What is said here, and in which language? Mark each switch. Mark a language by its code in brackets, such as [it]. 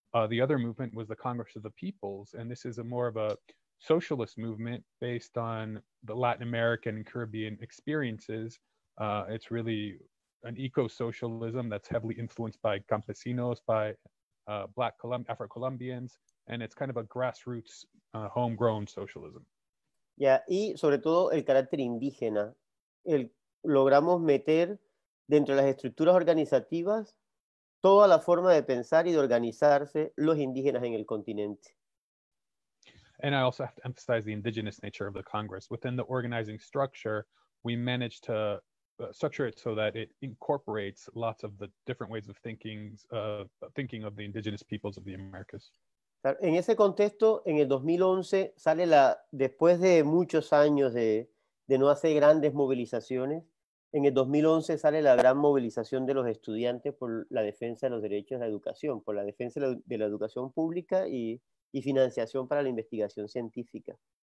[en] The other movement was the Congress of the Peoples, and this is a more of a socialist movement based on the Latin American and Caribbean experiences. It's really an eco-socialism that's heavily influenced by campesinos, by Black Afro-Colombians, and it's kind of a grassroots, homegrown socialism. [es] Yeah, y sobre todo el carácter indígena. Logramos meter dentro de las estructuras organizativas toda la forma de pensar y de organizarse los indígenas en el continente. [en] And I also have to emphasize the indigenous nature of the Congress. Within the organizing structure, we managed to structure it so that it incorporates lots of the different ways of thinking of the indigenous peoples of the Americas. [es] En ese contexto, en el 2011, sale la, después de muchos años de no hacer grandes movilizaciones, en el 2011 sale la gran movilización de los estudiantes por la defensa de los derechos de la educación, por la defensa de la educación pública y financiación para la investigación científica.